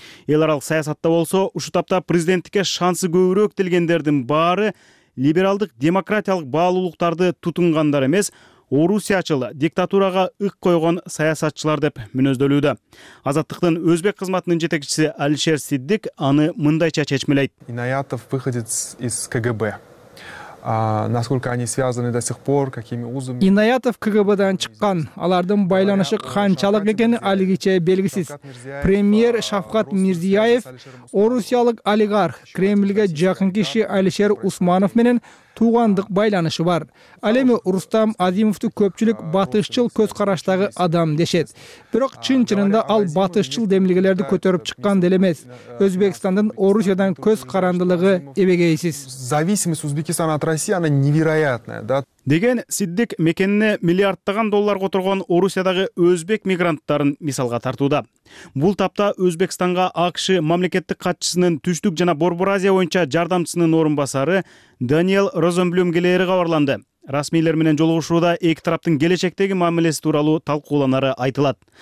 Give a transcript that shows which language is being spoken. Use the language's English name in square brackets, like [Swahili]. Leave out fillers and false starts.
[Kyrgyz] Эл аралык саясатта болсо, ушул тапта президенттикке шансы көбүрөөк делгендердин баары либералдык демократиялык баалуулуктарды тутунгандар эмес, орусиячыл диктатурага ык койгон саясатчылар деп мүнөздөлүүдө. Азаттыктын өзбек кызматынын жетекчиси Алишер Сиддик аны мындайча чечмелейт. [Russian] Инаятов выходец из КГБ. Насколько они связаны до сих пор, какими узами? [Kyrgyz] Инаятов КГБ-дан чыккан. Алардын байланышы канчалык экени алгыча белгисиз. Премьер Шавкат Мирзияев орусиялык олигарх, Кремльге жакын киши Алишер Усманов менен туугандык байланышы бар. Ал эми Рустам Азимовду көпчүлүк батышчыл көз караштагы адам дешет. Бирок чын чынында ал батышчыл демилгелерди көтөрүп чыккан деле эмес. Өзбекстандын Орусиядан көз карандылыгы эбегейсиз. [Russian] Зависимость Узбекистана от России она невероятная, да? [Kyrgyz] Деген Сиддик мекенине миллиарддаган доллар которгон Орусиядагы өзбек мигранттарын мисалга тартууда. Бул тапта Өзбекстанга АКШ мамлекеттик катчысынын түштүк жана Борбор Азия боюнча жардамчысынын орун басары Даниэл Розенблюм келери кабарланды. Расмийлер менен жолугушууда эки тараптын келечектеги мамилеси тууралуу талкууланары айтылат.